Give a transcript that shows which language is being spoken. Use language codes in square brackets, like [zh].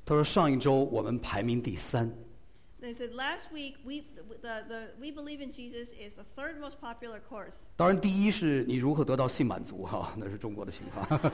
[zh] 他说上一周我们排名第三。 [en] They said last week the We Believe in Jesus is the third most popular course. [zh] 当然，第一是你如何得到性满足哈，那是中国的情况。